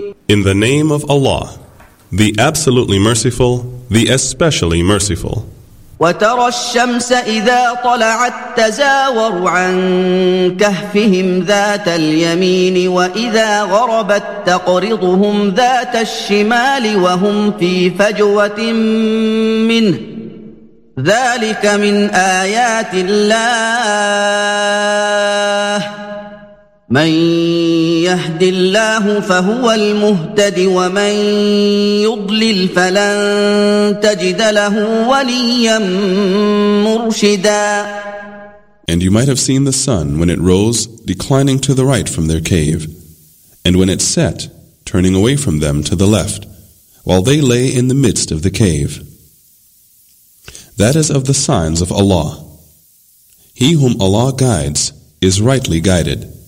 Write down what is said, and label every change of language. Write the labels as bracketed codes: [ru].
[en] In the name of Allah, the absolutely merciful, the especially merciful. [ar] وترى الشمس إذا طلعت تزاور عن كهفهم ذات اليمين وإذا غربت تقرضهم ذات الشمال وهم في فجوة منه ذلك من آيات الله من يهد الله فهو المهتد ومن يضلل فلن تجد له وليا مرشدا. [en] And you might have seen the sun when it rose declining to the right from their cave, and when it set turning away from them to the left, while they lay in the midst of the cave. That is of the signs of Allah. He whom Allah guides is rightly guided.